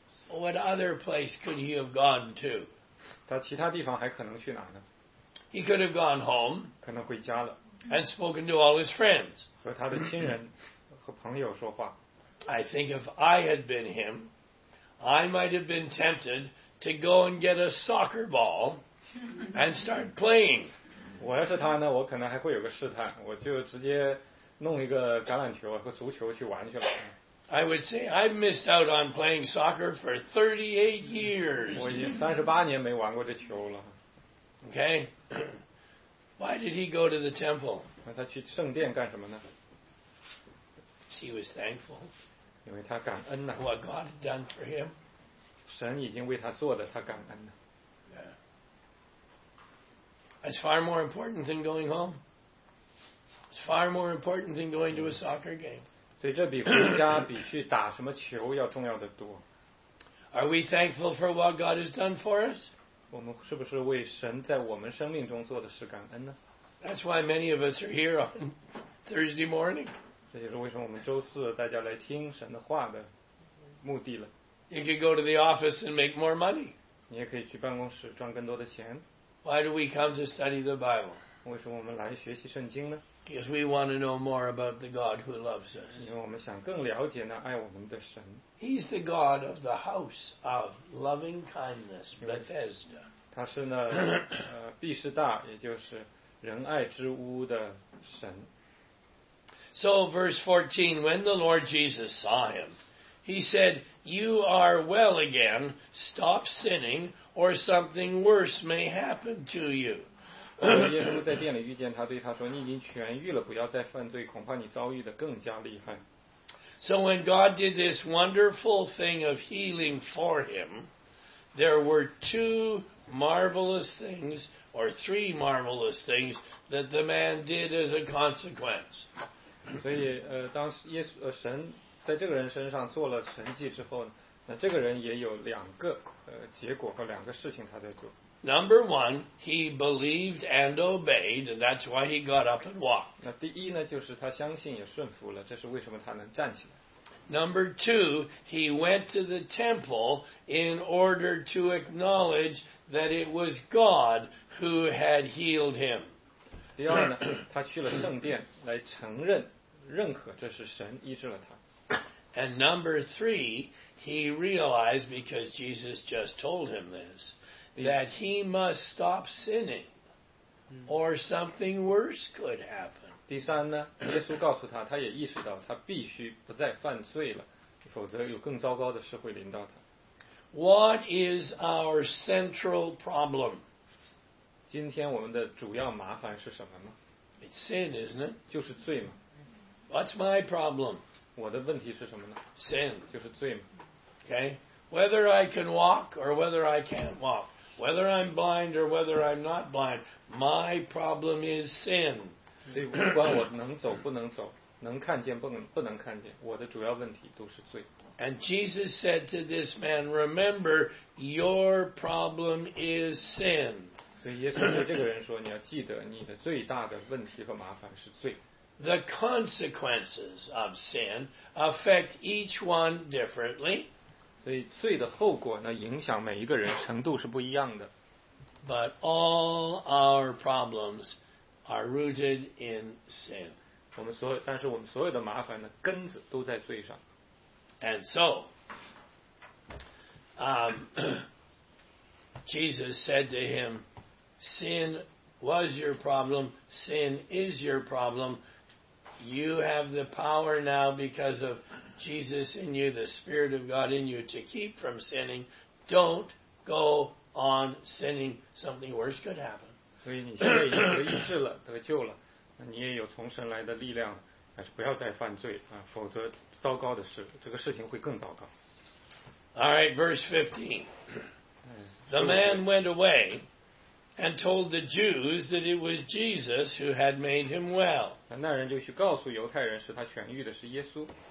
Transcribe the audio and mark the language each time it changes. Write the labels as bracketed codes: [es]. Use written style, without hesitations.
[en] What other place could he have gone to? [zh] 他其他地方还可能去哪呢？ [en] He could have gone home. [zh] 可能回家了。 [en] And spoken to all his friends. [zh] 和他的亲人和朋友说话。 [en] I think if I had been him, I might have been tempted to go and get a soccer ball and start playing. [zh] 我要是他呢，我可能还会有个试探，我就直接弄一个橄榄球和足球去玩去了。 [en] I would say I've missed out on playing soccer for 38 years. [zh] 我已经三十八年没玩过这球了。 [en] Okay. Why did he go to the temple? [zh] 那他去圣殿干什么呢？ [en] He was thankful. [zh] 因为他感恩呐。 [en] What God had done for him. [zh] 神已经为他做的，他感恩了。 [en] It's far more important than going home. It's far more important than going to a soccer game. [zh] 所以这比回家，比去打什么球要重要的多。 [en] Are we thankful for what God has done for us? [zh] 我们是不是为神在我们生命中做的事感恩呢？ [en] That's why many of us are here on Thursday morning. [zh] 这就是为什么我们周四大家来听神的话的目的了。 [en] You could go to the office and make more money. [zh] 你也可以去办公室赚更多的钱。 [en] Why do we come to study the Bible? [zh] 为什么我们来学习圣经呢？ [en] Because we want to know more about the God who loves us. [zh] 因为我们想更了解那爱我们的神。 [en] He's the God of the house of loving kindness, Bethesda. [zh] 他是那毕士大，也就是仁爱之屋的神。 [en] So verse 14, when the Lord Jesus saw him, he said, You are well again. Stop sinning, or something worse may happen to you. [zh] 耶稣在殿里遇见他，对他说：“你已经痊愈了，不要再犯罪，恐怕你遭遇的更加厉害。” [en] So when God did this wonderful thing of healing for him, there were two marvelous things, or three marvelous things, that the man did as a consequence. [zh] 所以，当耶稣神在这个人身上做了神迹之后，那这个人也有两个结果和两个事情他在做。 [en] Number one, he believed and obeyed, and that's why he got up and walked. [zh] 那第一呢，就是他相信也顺服了，这是为什么他能站起来。 [en] Number two, he went to the temple in order to acknowledge that it was God who had healed him. [zh] 第二呢，他去了圣殿来承认、认可这是神医治了他。 [en] And number three, he realized because Jesus just told him this. That he must stop sinning, or something worse could happen. [zh] 第三呢，耶稣告诉他，他也意识到他必须不再犯罪了，否则有更糟糕的事会临到他。 [en] What is our central problem? [zh] 今天我们的主要麻烦是什么吗 [en] ？It's sin, isn't it? [zh] 就是罪嘛。 [en] What's my problem? [zh] 我的问题是什么呢 [en] ？Sin, [zh] 就是罪嘛。 [en] Okay, whether I can walk or whether I can't walk. Whether I'm blind or whether I'm not blind, my problem is sin. [zh] 所以无关我能走不能走，能看见不能看见，我的主要问题都是罪。 [en] And Jesus said to this man, "Remember, your problem is sin." [zh] 所以耶稣对这个人说，你要记得，你的最大的问题和麻烦是罪。 [en] The consequences of sin affect each one differently. [zh] 所以罪的后果呢，影响每一个人程度是不一样的。 [en] But all our problems are rooted in sin. [zh] 我们所有，但是我们所有的麻烦呢，根子都在罪上。 [en] And so, Jesus said to him, "Sin was your problem. Sin is your problem. You have the power now because of." Jesus in you, the Spirit of God in you, to keep from sinning. Don't go on sinning. Something worse could happen. [zh] 所以你现在已经得医治了，得救了，那你也有从神来的力量，还是不要再犯罪啊，否则糟糕的事，这个事情会更糟糕。 [en] All right, verse 15. The man went away and told the Jews that it was Jesus who had made him well. [zh] 那人就去告诉犹太人，使他痊愈的是耶稣。